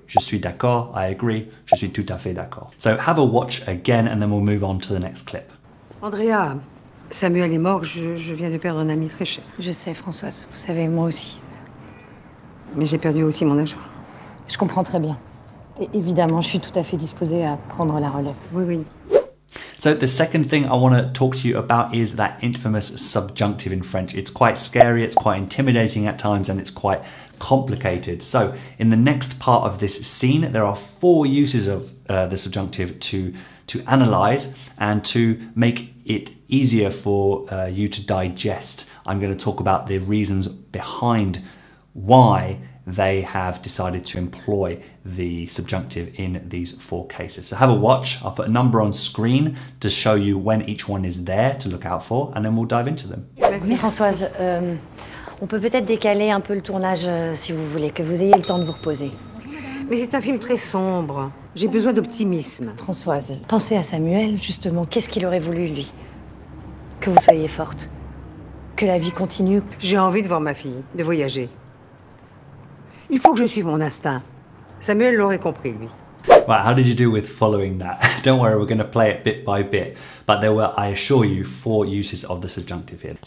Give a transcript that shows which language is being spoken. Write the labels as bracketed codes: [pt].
[fr] Je suis d'accord, [en] I agree, [fr] je suis tout à fait d'accord. [en] So have a watch again and then we'll move on to the next clip. Andrea, Samuel est mort, je viens de perdre un ami très cher. Je sais, Françoise, vous savez, moi aussi. Mais j'ai perdu aussi mon argent. Je comprends très bien. Et évidemment, je suis tout à fait disposée à prendre la relève. Oui, oui. So the second thing I want to talk to you about is that infamous subjunctive in French. It's quite scary, it's quite intimidating at times, and it's quite complicated. So in the next part of this scene, there are four uses of the subjunctive to analyze and to make it easier for you to digest. I'm going to talk about the reasons behind why they have decided to employ the subjunctive in these four cases. So have a watch. I'll put a number on screen to show you when each one is there to look out for, and then we'll dive into them. [fr] Merci, Françoise. On peut peut-être décaler un peu le tournage, si vous voulez, que vous ayez le temps de vous reposer. Mais c'est un film très sombre. J'ai besoin d'optimisme. Françoise, pensez à Samuel, justement. Qu'est-ce qu'il aurait voulu, lui? Que vous soyez forte. Que la vie continue. J'ai envie de voir ma fille, de voyager. Il faut que je suive mon instinct. Samuel l'aurait compris, lui. [en] Right, how did you do with following that? Don't worry, we're going to play it bit by bit. But there were, I assure you, four uses of the subjunctive here.